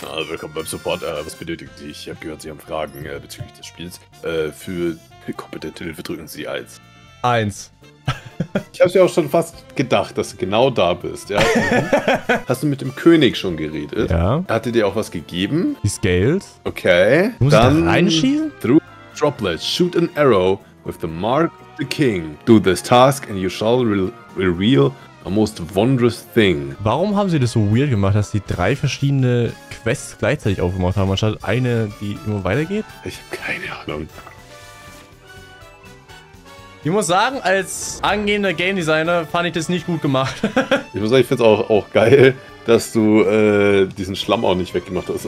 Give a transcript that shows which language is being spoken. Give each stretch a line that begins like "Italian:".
German: Ah, willkommen beim Support. Was benötigen Sie? Ich habe gehört, Sie haben Fragen bezüglich des Spiels. Für kompetente Hilfe drücken Sie 1. 1. Ich habe es ja auch schon fast gedacht, dass du genau da bist. Ja? Hast du mit dem König schon geredet? Ja. Hat er dir auch was gegeben? Die Scales. Okay. Muss dann ich da reinschießen?
English: Through droplets, shoot an arrow with the mark of the king. Do this task and you shall reveal a most wondrous thing.
German: Warum haben sie das so weird gemacht, dass die 3 verschiedene Quests gleichzeitig aufgemacht haben, anstatt eine, die immer weitergeht? Ich habe keine Ahnung. Ich muss sagen, als angehender Game Designer fand ich das nicht gut gemacht. Ich muss sagen, ich finde es auch geil, dass du diesen Schlamm auch nicht weggemacht hast.